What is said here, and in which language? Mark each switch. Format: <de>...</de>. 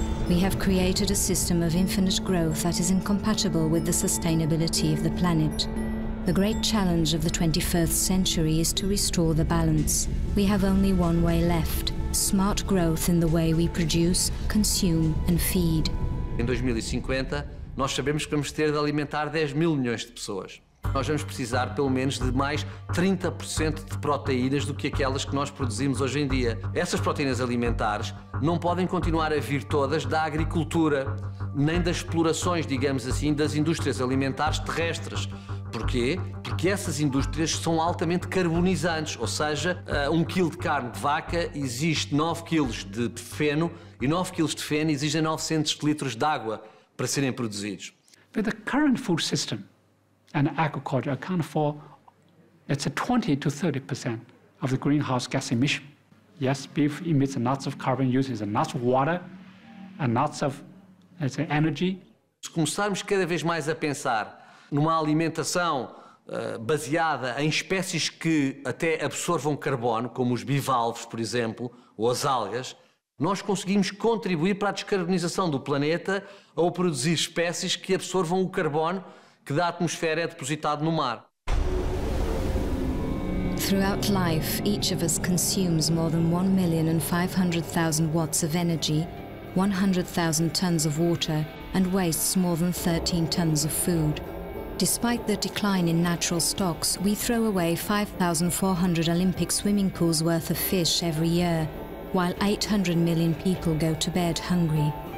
<en>We have created a system of infinite growth that is incompatible with the sustainability of the planet. The great challenge of the 21st century is to restore the balance. We have only one way left: smart growth in the way we produce, consume and feed.</en> <pt>Em 2050, nós sabemos que vamos ter de alimentar 10 mil milhões de pessoas. Nós vamos precisar pelo menos de mais 30% de proteínas do que aquelas que nós produzimos hoje em dia. Essas proteínas alimentares não podem continuar a vir todas da agricultura, nem das explorações, digamos assim, das indústrias alimentares terrestres. Porquê? Porque essas indústrias são altamente carbonizantes, ou seja, um quilo de carne de vaca exige 9 quilos de feno e 9 quilos de feno exigem 900 litros de água para serem produzidos.</pt> <en>With the current food system and agriculture account for, it's a 20 to 30% of the greenhouse gas emission. Yes, beef emits lots of carbon, uses lots of water and lots of energy.</en> <pt>Se começarmos cada vez mais a pensar numa alimentação baseada em espécies que até absorvam carbono, como os bivalves, por exemplo, ou as algas, nós conseguimos contribuir para a descarbonização do planeta ao produzir espécies que absorvam o carbono que da atmosfera é depositado no mar.</pt> <en>Throughout life, each of us consumes more than 1,500,000 watts of energy, 100,000 tons of water, and wastes more than 13 tons of food. Despite the decline in natural stocks, we throw away 5,400 Olympic swimming pools worth of fish every year, while 800 million people go to bed hungry.</en>